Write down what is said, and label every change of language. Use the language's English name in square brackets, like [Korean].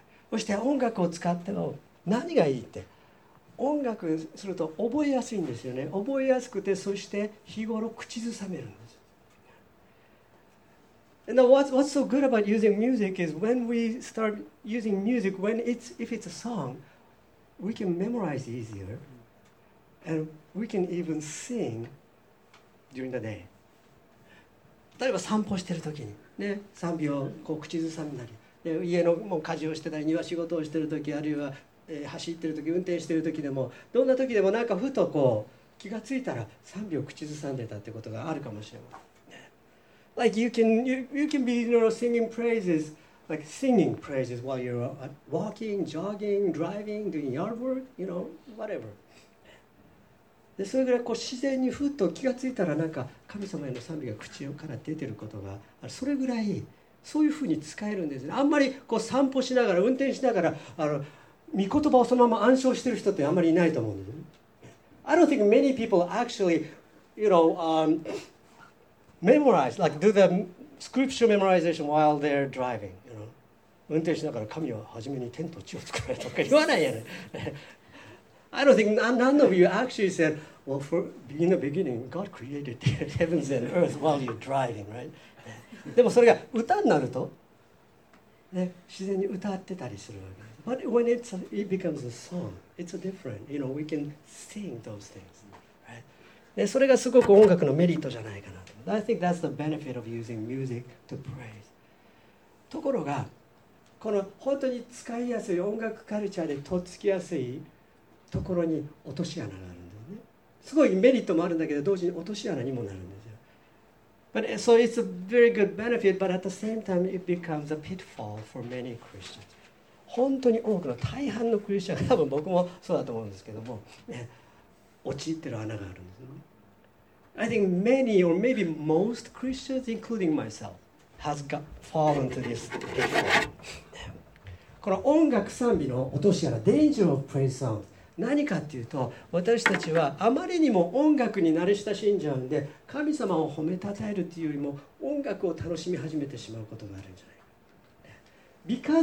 [Japanese] そして音楽を使っても何がいいって、音楽すると覚えやすいんですよね。覚えやすくて、そして日頃口ずさめるんです。 [English] And what's so good about using music is when we start using music, if it's a song, we can memorize easier, and we can even sing. During the day. [Japanese] 例えば散歩してる時に、ね、賛美をこう口ずさんだり、で家のもう家事をしてたり、庭仕事をしてる時、あるいは、走ってる時、運転してる時でも、どんな時でもなんかふとこう気がついたら賛美を口ずさんでたってことがあるかもしれない。ね、 [English] like you can be, you know, singing praises, like singing praises while you're walking, jogging, driving, doing yard work, you know, whatever. [Japanese] でそれぐらいこう自然にふっと気がついたら、なんか神様への賛美が口から出てることがある。それぐらいそういうふうに使えるんですね。あんまりこう散歩しながら、運転しながら、御言葉をそのまま暗唱してる人ってあんまりいないと思うんです。 [English] I don't think many people actually, you know, memorize, like do the scripture memorization while they're driving, you know. [Japanese] 運転しながら神は初めに天と地を作られたとか言わないよね。 [English] I don't think none of you actually said, well, for, in the beginning, God created the heavens and earth while you're driving, right? [Japanese] でもそれが歌になると、ね、自然に歌ってたりするわけです。 [English] But when it becomes a song, it's a different, you know, we can sing those things, right? [Japanese] それがすごく音楽のメリットじゃないかなと。 [English] I think that's the benefit of using music to praise. [Japanese] ところが、この本当に使いやすい音楽カルチャーでとっつきやすいところに落とし穴があるんですね。すごいメリットもあるんだけど、同時に落とし穴にもなるんですよ。 [English] But so it's a very good benefit, but at the same time it becomes a pitfall for many Christians. [Japanese] 本当に多くの大半のクリスチャンが、多分僕もそうだと思うんですけども、ね、陥ってる穴があるんですね。 [English] I think many or maybe most Christians, including myself, has got fallen to this pitfall. [Japanese] この音楽賛美の落とし穴、 [English] danger of praise sound. [Japanese] 何かっていうと、私たちはあまりにも音楽に慣れ親しんじゃうんで、神様を褒めたたえるというよりも音楽を楽しみ始めてしまうことがあるんじゃないか。